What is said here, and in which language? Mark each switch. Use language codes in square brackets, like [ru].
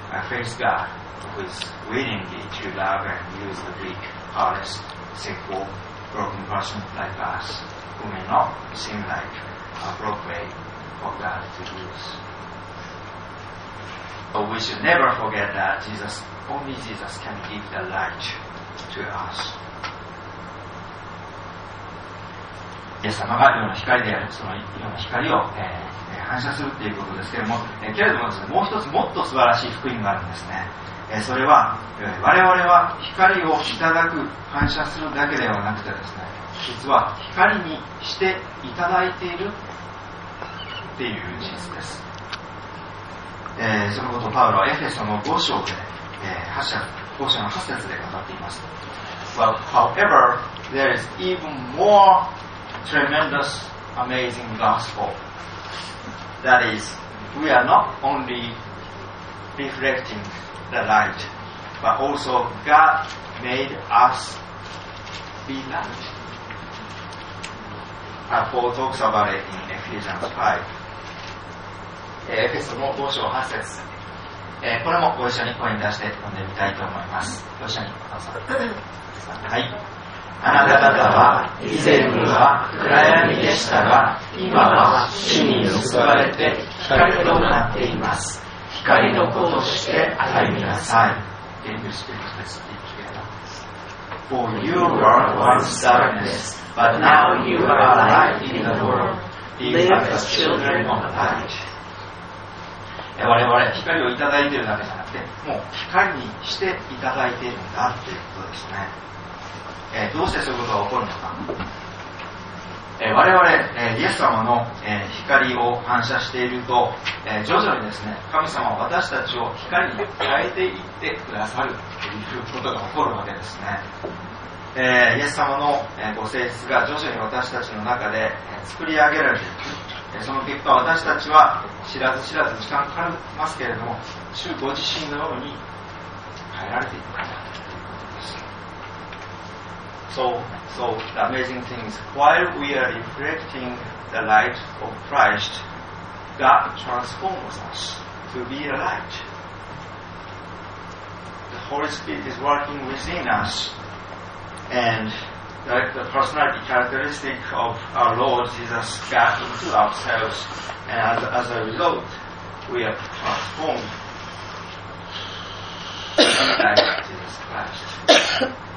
[en] face God who is willing to love and use the weak, powerless, sinful, broken person like us, who may not seem like a broken way for God to use. But we should never forget that Jesus, only Jesus can give the light to us. [ja] イエス様が世の光である、その世の光を、反射するということですけれども、けれどもですね、もう一つもっと素晴らしい福音があるんですね。それは、我々は光をいただく、反射するだけではなくてですね、実は光にしていただいているっていう事実です。そのことをパウロはエフェソの5章で、5章の8節で語っています。 [en] Well, however, there is even more tremendous, amazing gospel. That is, we are not only reflecting the light, but also God made us be light. Paul talks about it in Ephesians 5. [ja] エフェソの5章8節、これもご一緒に声に出して読んでみたいと思います。ご一緒にどうぞ。はい。あなた方は以前は暗闇でしたが、今は死に救われて光となっています。光の子として歩みなさい。 [en] For you were once darkness, but now you are light in the world. Live as children of light. [ja] 我々光をいただいているだけじゃなくて、もう光にしていただいているんだということですね。どうしてそういうことが起こるのか。我々、イエス様の、光を反射していると、徐々にですね、神様は私たちを光に変えていってくださるということが起こるわけですね。イエス様の、ご性質が徐々に私たちの中で、作り上げられていく。その結果、私たちは知らず知らず時間かかりますけれども、主ご自身のように変えられていくからということです。 [en] So, the amazing thing is, while we are reflecting the light of Christ, God transforms us to be a light. The Holy Spirit is working within us, andLike the personality characteristic of our Lord Jesus got into ourselves, and as a result, we are transformed like Jesus Christ.